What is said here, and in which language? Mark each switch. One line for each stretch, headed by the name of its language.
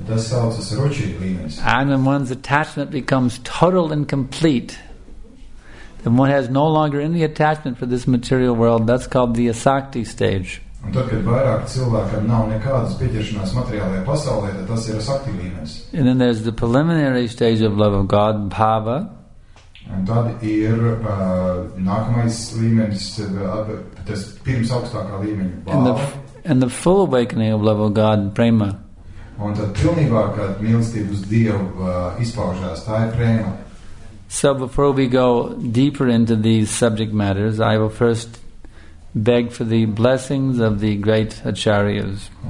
English: And when one's attachment becomes total and complete, and one has no longer any attachment for this material world, that's called the asakti stage. And then there's the preliminary stage of love of God, bhava.
Latvian: And tad ir nākamais līmenis, tas pirms augstākā līmeņa, bhava.
English: And the full awakening of love of God, prema.
Latvian: Un tad pilnībā, kad mīlestība uz Dievu izpaužās, tā ir prema.
English: So before we go deeper into these subject matters, I will first beg for the blessings of the great acharyas.